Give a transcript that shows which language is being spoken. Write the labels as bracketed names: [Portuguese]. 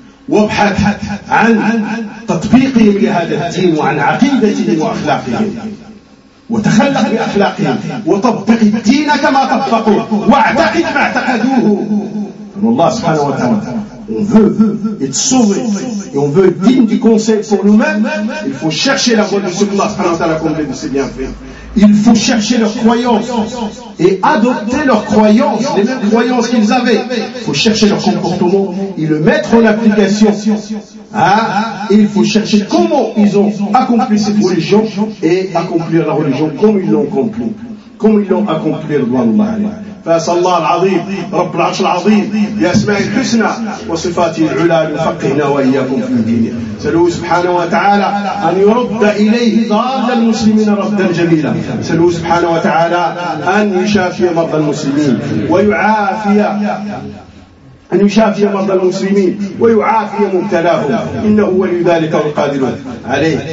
[Arabic] وابحث عن تطبيقهم لهذا الدين وعن عقيدتهم وأخلاقهم، وتخلق بأخلاقهم وطبق الدين كما طبقوه واعتقد ما اعتقدوه. الله سبحانه وتعالى [French] On veut être sauvé et on veut être digne du conseil pour nous-mêmes. Il faut chercher la voie de Allah à la comblée de ses bienfaits. Il faut chercher leurs croyances et adopter leurs croyances, les mêmes croyances qu'ils avaient. Il faut chercher leur comportement et le mettre en application. Hein? Et il faut chercher comment ils ont accompli cette religion et accomplir la religion comme ils l'ont accompli. Comme ils l'ont accompli, [Arabic] فأسأل الله العظيم رب العرش العظيم بأسماء الحسنى وصفاته العلى أن يفقهنا وإياكم في دينه. سألوه سبحانه وتعالى أن يرد إليه ضال المسلمين ردا جميلا. سألوه سبحانه وتعالى أن يشافي مرضى المسلمين ويعافي أن يشافي مرضى المسلمين ويعافي مبتلاهم إنه ولي ذلك والقادر عليه.